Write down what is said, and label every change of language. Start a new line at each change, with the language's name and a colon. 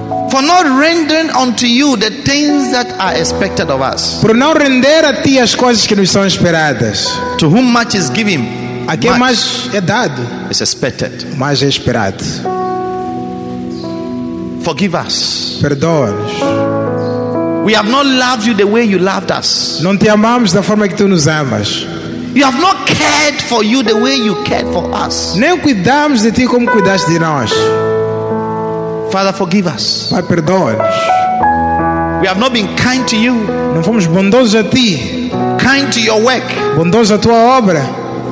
Portuguese: For not rendering unto you the things that are expected of us. Por não render a ti as coisas que nos são esperadas.
English: To whom much is given.
Portuguese: A quem mais é dado.
English: Is expected.
Portuguese: Mais é esperado.
English: Forgive us.
Portuguese: Perdoa-nos.
English: We have not loved you the way you loved us.
Portuguese: Não te amamos da forma que tu nos amas.
English: We have not cared for you the way you cared for us.
Portuguese: Nem cuidamos de ti como cuidaste de nós.
English: Father, forgive us.
Portuguese: Pai, perdoa-nos.
English: We have not been kind to you.
Portuguese: Não fomos bondosos a ti.
English: Kind to your work.
Portuguese: Bondosos à tua obra.